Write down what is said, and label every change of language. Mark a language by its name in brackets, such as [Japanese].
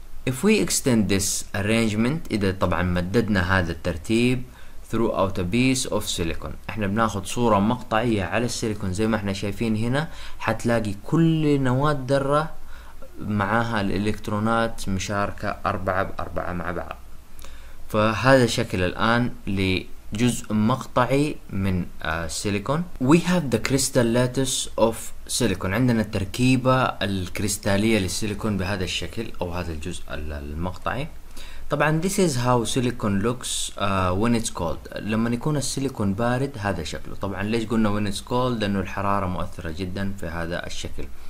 [English] If we extend this arrangement، [Arabic] إذا طبعا مددنا هذا الترتيب [English] throughout a piece of silicon، [Arabic] احنا بناخد صورة مقطعية على السيليكون زي ما احنا شايفين هنا، حتلاقي كل نواة ذرة معها الإلكترونات مشاركة 4 بـ4 مع بعض. فهذا شكل الآن لجزء مقطعي من سيليكون. [English] We have the crystal lattice of silicon، [Arabic] عندنا التركيبة الكريستالية للسيليكون بهذا الشكل أو هذا الجزء المقطعي. [English] طبعا this is how silicon looks when it's cold، [Arabic] لما يكون السيليكون بارد هذا شكله. طبعا ليش قلنا [English] when it's cold؟ [Arabic] لأنه الحرارة مؤثرة جدا في هذا الشكل.